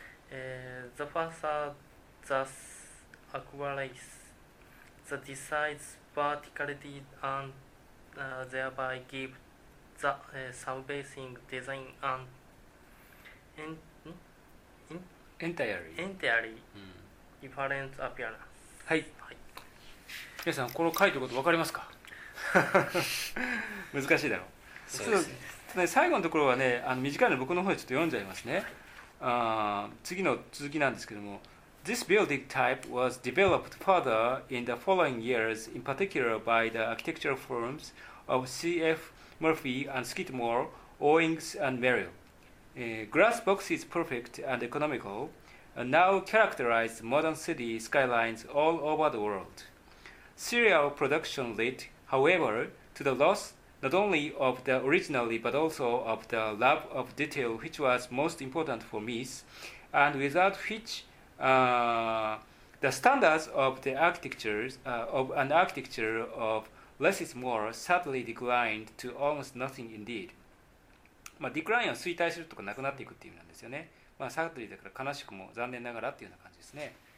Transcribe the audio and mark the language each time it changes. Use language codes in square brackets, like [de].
[en] The facade thus acquires the desired verticality and thereby give the subbasing design an entirely different appearance. [ja] はい、はい、皆さんこの書いてること分かりますか。難しいだろう。そうですね。最後のところはね、あの短いの僕の方でちょっと読んじゃいますね。次の続きなんですけども、 [en] This building type was developed further in the following years, in particular by the architectural firms of C.F. Murphy and Skidmore, Owings and Merrill. Glass box is perfect and economical, and now characterized modern city skylines all over the world. Serial production led. However, to the loss not only of the originality but also of the love of detail which was most important for Mies and without which the standards of the architecture, of an architecture of less is more sadly declined to almost nothing indeed. [ja] まあ、ディクラインは衰退するとかなくなっていくっていう意味なんですよね。まあ、サドリーだから悲しくも残念ながらっていうような感じですね。